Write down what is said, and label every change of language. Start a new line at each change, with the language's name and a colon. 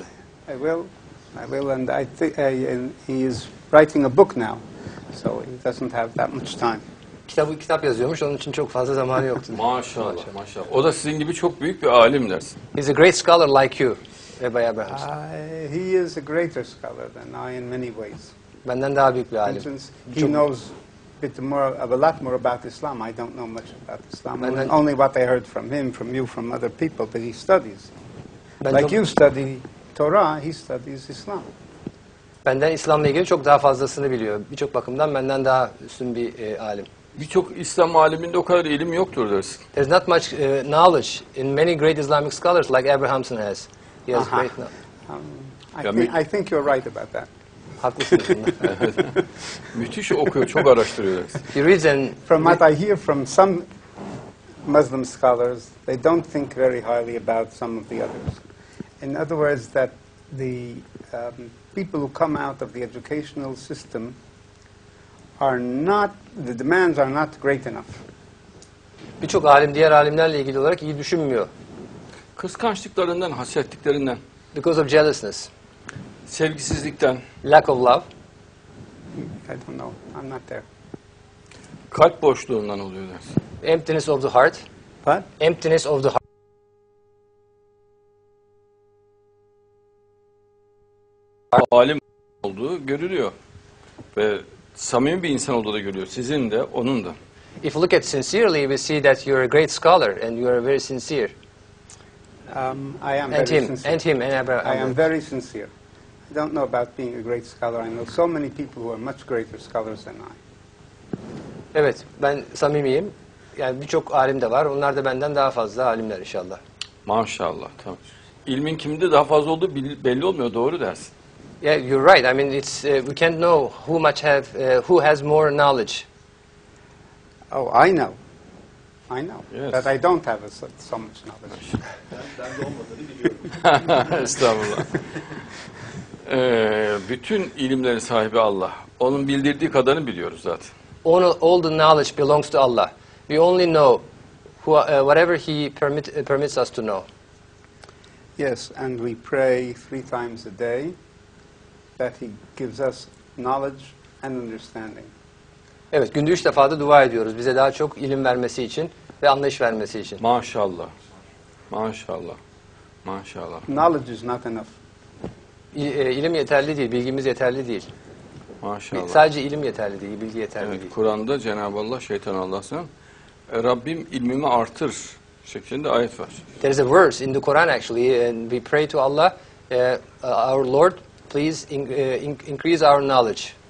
English: I will, and I think he is writing a book now, so he doesn't have that much time.
Turkish: Kitap yazıyormuş, onun için çok fazla zamanı yoktu. Maşallah, maşallah. O da sizin gibi çok büyük bir alim dersin.
English: He's a great scholar like you, Rabbi Abraham. He is a greater scholar than I in many ways.
Turkish: Benden daha büyük bir alim.
English: He knows a lot more about Islam. I don't know much about Islam. Only what I heard from him, from you, from other people, but he studies. Like you study Torah, he studies Islam.
Turkish: Benden İslam'la ilgili çok daha fazlasını biliyor. Birçok bakımdan benden daha üstün bir alim. Birçok İslam aliminde o kadar ilim yoktur dersin.
English: There's not much knowledge in many great Islamic scholars like Abrahamson has. He has great knowledge. I think you're right about that.
Turkish: Haklısın. Müthiş okuyor, çok araştırıyor.
English: He reads and from what I hear from some Muslim scholars, they don't think very highly about some of the others. In other words, that the people who come out of the educational system are not, the demands are not great enough.
Turkish: Birçok alim diğer alimlerle ilgili olarak iyi düşünmüyor. Kıskançlıklarından, hasetliklerinden.
English: Because of jealousness.
Turkish: Sevgisizlikten.
English: Lack of love. I don't know. I'm not there.
Turkish: Kalp boşluğundan oluyor ders.
English: Emptiness of the heart. What? Emptiness of the heart.
Turkish: Alim olduğu görülüyor. Ve samimi bir insan olduğu da görülüyor. Sizin de, onun da.
English: If you look at sincerely, we see that you're a great scholar and you're very sincere. I am and very him, sincere. And him. And I am very sincere. I don't know about being a great scholar. I know so many people who are much greater scholars than I.
Turkish: Evet, ben samimiyim. Yani birçok alim de var. Onlar da benden daha fazla alimler inşallah. Maşallah, tamam. İlmin kiminde daha fazla olduğu belli olmuyor, doğru dersin.
English: Yeah, you're right. I mean, it's we can't know who much have who has more knowledge. Oh, I know. I know. Yes. But I don't have so much knowledge.
Turkish: Estağfurullah. bütün ilimlerin sahibi Allah. Onun bildirdiği kadarını biliyoruz zaten.
English: All the knowledge belongs to Allah. We only know whatever he permits us to know. Yes, and we pray three times a day that he gives us knowledge and understanding.
Turkish: Evet, günde üç defa da dua ediyoruz. Bize daha çok ilim vermesi için ve anlayış vermesi için. Maşallah. Maşallah. Maşallah.
English: Knowledge is not enough.
Turkish: İlim yeterli değil, bilgimiz yeterli değil. Maşallah. Sadece ilim yeterli değil, bilgi yeterli evet, değil. Kur'an'da Cenab-ı Allah, şeytan Allah'sın, Rabbim ilmimi artır şeklinde ayet var.
English: There is a verse in the Quran actually, and we pray to Allah, our Lord, please increase our knowledge.